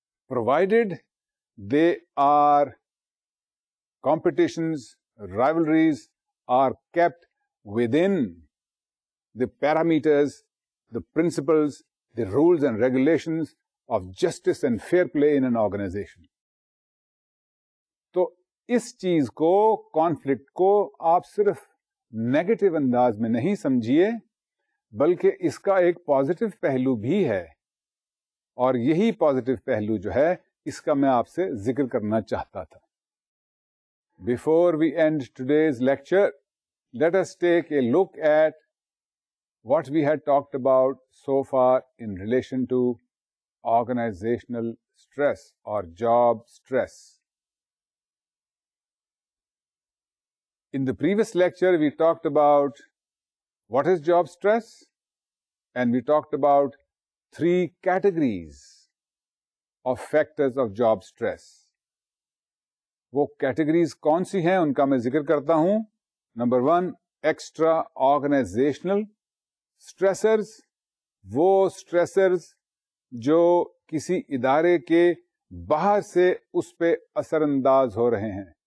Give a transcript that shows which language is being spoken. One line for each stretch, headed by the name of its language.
English: provided they are competitions, rivalries are kept within the parameters, the principles, the rules and regulations of justice and fair play in an organization.
Urdu: تو اس چیز کو, conflict کو آپ صرف negative انداز میں نہیں سمجھیے, بلکہ اس کا ایک positive پہلو بھی ہے. اور یہی positive پہلو جو ہے اس کا میں آپ سے ذکر کرنا چاہتا تھا.
English: Before we end today's lecture, let us take a look at what we had talked about so far in relation to organizational stress or job stress. In the previous lecture, we talked about what is job stress, and we talked about three categories of factors of job stress.
Urdu: وہ categories کون سی ہیں, ان کا میں ذکر کرتا ہوں. Number one, extra organizational سٹریسرز, وہ سٹریسرز جو کسی ادارے کے باہر سے اس پہ اثر انداز ہو رہے ہیں.